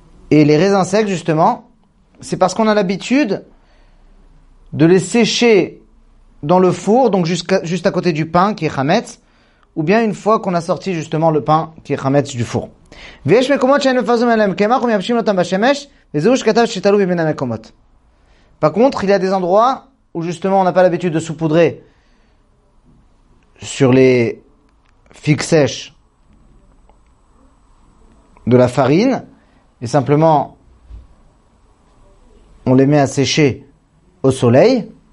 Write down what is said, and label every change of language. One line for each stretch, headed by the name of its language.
French: Et les raisins secs, justement, c'est parce qu'on a l'habitude de les sécher dans le four, donc juste à côté du pain qui est chametz, ou bien une fois qu'on a sorti justement le pain qui est chametz du four.
Hebrew: ויש מקומות שאין מפזרים עליהם קמח ומייבשים אותם בשמש, וזהו שכתב שתלו במין המקומות.
French: Par contre, il y a des endroits où justement on n'a pas l'habitude de saupoudrer sur les figues sèches de la farine, et simplement on les met à sécher au soleil.